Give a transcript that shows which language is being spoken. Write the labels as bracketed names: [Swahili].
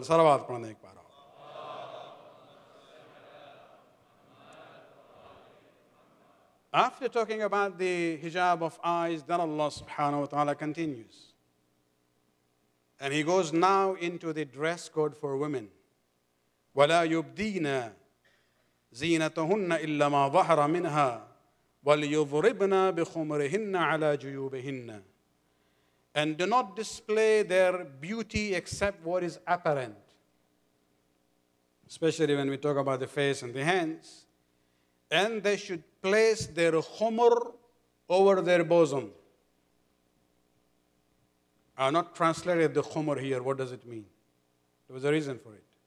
[English] Salawat Quran ek baro. After talking about the hijab of eyes, then Allah subhanahu wa ta'ala continues. And he goes now into the dress code for women. [Arabic] وَلَا يُبْدِينَ زِينَتَهُنَّ إِلَّا مَا ظَهَرَ مِنْهَا وَلْيُضْرِبْنَا بِخُمْرِهِنَّ عَلَىٰ جُيُوبِهِنَّ. [English] And do not display their beauty except what is apparent. Especially when we talk about the face and the hands. And they should place their khumur over their bosom. I've not translated the khumur here. What does it mean? There was a reason for it.